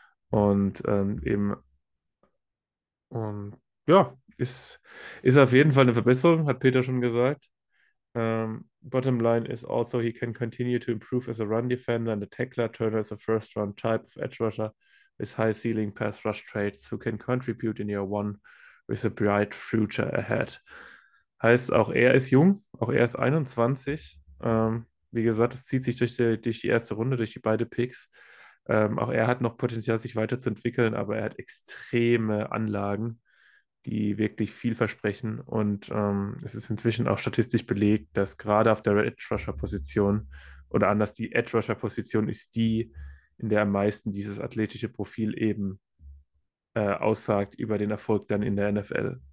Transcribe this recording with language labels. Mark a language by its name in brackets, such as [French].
[German] Und eben, und ja, ist auf jeden Fall eine Verbesserung, hat Peter schon gesagt. [English] Bottom line is also, he can continue to improve as a run defender and a tackler. Turner is a first round type of edge rusher with high ceiling pass rush traits who can contribute in year one with a bright future ahead. [German] Heißt, auch er ist jung, auch er ist 21. Wie gesagt, es zieht sich durch die erste Runde, durch die beiden Picks. Auch er hat noch Potenzial, sich weiterzuentwickeln, aber er hat extreme Anlagen, die wirklich viel versprechen. Und es ist inzwischen auch statistisch belegt, dass gerade auf der Edge-Rusher-Position oder anders, die Edge-Rusher-Position ist die, in der am meisten dieses athletische Profil eben aussagt über den Erfolg dann in der NFL.